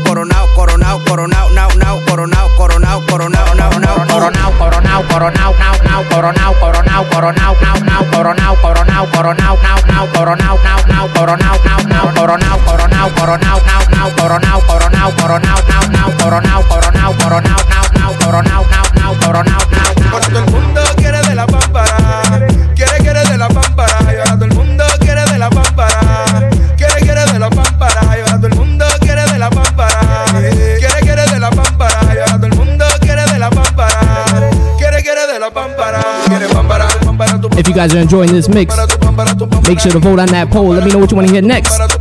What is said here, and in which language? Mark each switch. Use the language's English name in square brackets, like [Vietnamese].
[Spanish] Coronao, coronao, coronao, now, now. Coronao, coronao, coronao, now, now. Coronao, coronao, coronao, now, now. Coronao, coronao, coronao, now, now. Coronao, coronao, coronao, now, now. Coronao, now, now. Coronao, now, now. Coronao, coronao, coronao, now, now. Coronao, coronao, coronao, now, now. Coronao, coronao, coronao, now, now. Coronao, now. Ahora todo el mundo quiere de la pámpara. Quiere, quiere de la pámpara. Ahora todo el mundo quiere de la pámpara. Quiere, quiere de la pámpara. Ahora todo el mundo quiere de la pámpara. Quiere, quiere de la pámpara. Ahora todo el mundo quiere de la pámpara. Quiere, quiere de la pámpara. Quiere pámpara, pámpara, tu pámpara. [English] If you guys are enjoying this mix, make sure to vote on that poll. Let me know what you want to hear next.